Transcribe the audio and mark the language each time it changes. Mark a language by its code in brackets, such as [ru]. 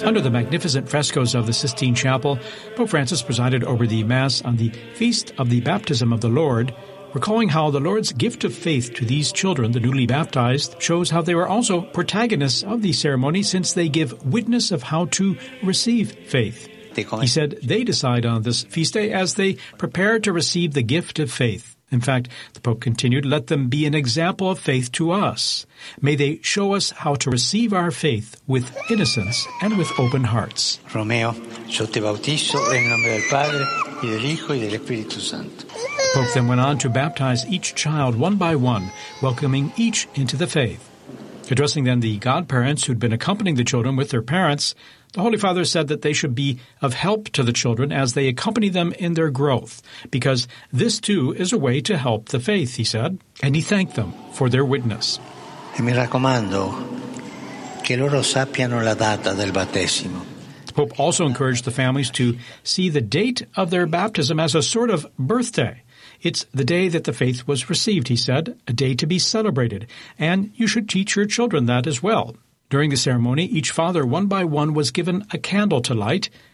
[en] Under the magnificent frescoes of the Sistine Chapel, Pope Francis presided over the Mass on the Feast of the Baptism of the Lord, recalling how the Lord's gift of faith to these children, the newly baptized, shows how they were also protagonists of the ceremony since they give witness of how to receive faith. He said they decide on this feast day as they prepare to receive the gift of faith. In fact, the Pope continued, let them be an example of faith to us. May they show us how to receive our faith with innocence and with open hearts. [it] Romeo, io ti bautizzo in nome del Padre, e del Hijo, e dello Spirito Santo. [en] The Pope then went on to baptize each child one by one, welcoming each into the faith. Addressing then the godparents who'd been accompanying the children with their parents, the Holy Father said that they should be of help to the children as they accompany them in their growth, because this too is a way to help the faith, he said, and he thanked them for their witness. [it] E mi raccomando che loro sappiano la data del battesimo. [en] The Pope also encouraged the families to see the date of their baptism as a sort of birthday. It's the day that the faith was received, he said, a day to be celebrated, and you should teach your children that as well. During the ceremony, each father, one by one, was given a candle to light.